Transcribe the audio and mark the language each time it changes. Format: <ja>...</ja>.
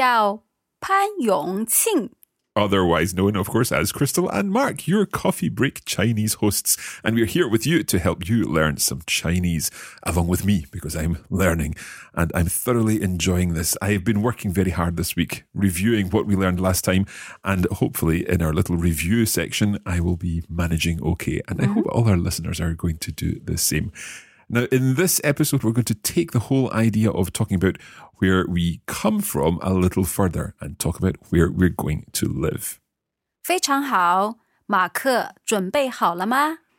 <zh>我叫彭马克。我叫潘永庆。</zh> <en>Otherwise known, of course, as Crystal and Mark, your Coffee Break Chinese hosts. And we're here with you to help you learn some Chinese along with me, because I'm learning and I'm thoroughly enjoying this. I have been working very hard this week, reviewing what we learned last time. And hopefully in our little review section, I will be managing okay. And I hope all our listeners are going to do the same. Now, in this episode, we're going to take the whole idea of talking about where we come from a little further and talk about where we're going to live.</en> <zh>非常好,马克,准备好了吗?</zh>